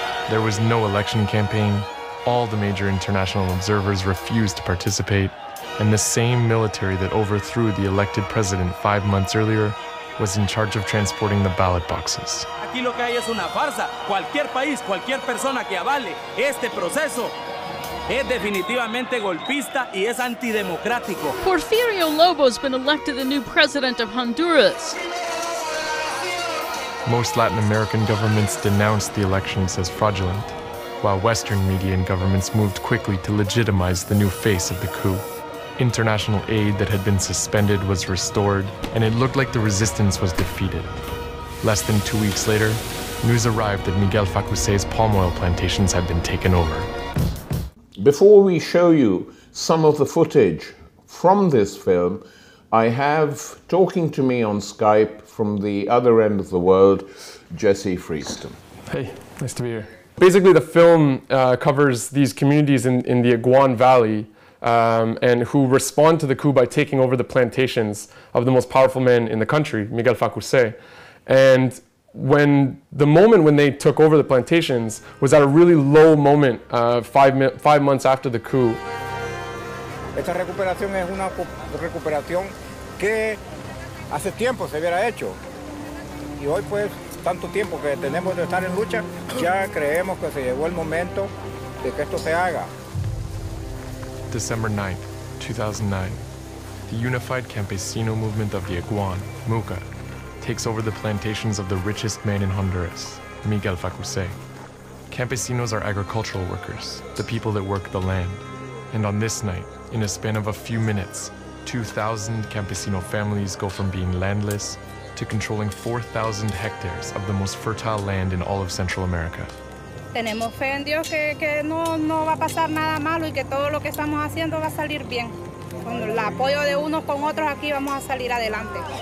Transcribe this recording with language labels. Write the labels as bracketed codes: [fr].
[en] There was no election campaign. All the major international observers refused to participate. And the same military that overthrew the elected president 5 months earlier was in charge of transporting the ballot boxes. [es] Aquí lo que hay es una farsa. Cualquier país, cualquier persona que avale este proceso es definitivamente golpista y es antidemocrático. [en] Porfirio Lobo's been elected the new president of Honduras. Most Latin American governments denounced the elections as fraudulent, while Western media and governments moved quickly to legitimize the new face of the coup. International aid that had been suspended was restored, and it looked like the resistance was defeated. Less than 2 weeks later, news arrived that Miguel Facuse's palm oil plantations had been taken over. Before we show you some of the footage from this film, I have talking to me on Skype from the other end of the world, Jesse Freestone. Hey, nice to be here. Basically, the film covers these communities in the Aguan Valley and who respond to the coup by taking over the plantations of the most powerful man in the country, Miguel Facuse. And when the moment when they took over the plantations was at a really low moment, five months after the coup. [es] Esta recuperación es una recuperación que hace tiempo se hubiera hecho. Y hoy pues tanto tiempo que tenemos de estar en lucha, ya creemos que se llegó el momento de que esto se haga. [en] December 9th, 2009. The Unified Campesino Movement of the Aguan, MUCA, takes over the plantations of the richest man in Honduras, Miguel Facuse. Campesinos are agricultural workers, the people that work the land. And on this night, in a span of a few minutes, 2,000 campesino families go from being landless to controlling 4,000 hectares of the most fertile land in all of Central America. [es] Tenemos fe en Dios que no va a pasar nada malo y que todo lo que estamos haciendo va a salir bien. Con el apoyo de unos con otros aquí vamos a salir adelante.